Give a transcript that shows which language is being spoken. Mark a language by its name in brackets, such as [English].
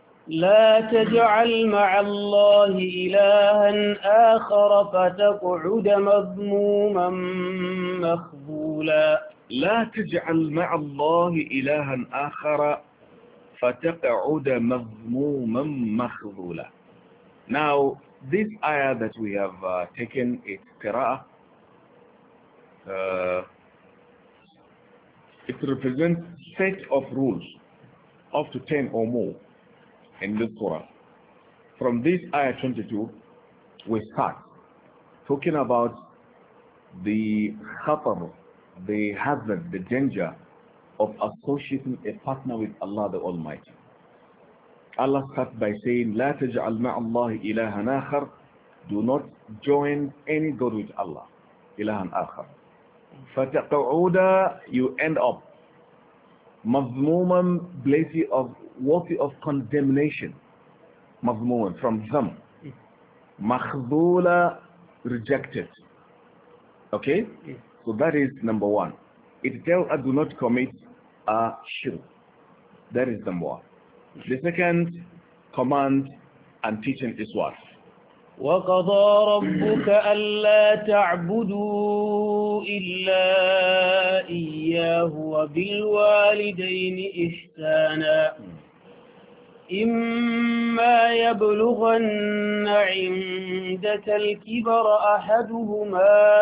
[Arabic] لا تجعل مع الله إلها آخر فتقعد مذموما مخذولا. لا تجعل مع الله إلها آخر فتقعد مذموما مخذولا. [English] Now, this ayah that we have taken its qira'ah, it represents set of rules, up to 10 or more, in the Quran. From this ayah 22, we start talking about the khatar, the hazard, the danger of associating a partner with Allah the Almighty. Allah starts by saying, [Arabic] لا تجعل مع الله إلها آخر. [English] Do not join any God with Allah. [Arabic] إلها آخر. [English] فتقعودا, you end up مضموما بلاتي of worthy of condemnation. مضموما from them. مخذولا rejected. Okay? So that is number one. It tells us do not commit a shirk. That is number one. The second command and teaching is what? [Arabic] وَقَضَى رَبُّكَ أَلَّا تَعْبُدُوا إِلَّا إِيَّاهُ وَبِالْوَالِدَيْنِ إِحْسَانًا إِمَّا يَبْلُغَنَّ عِنْدَكَ الْكِبَرَ أَحَدُهُمَا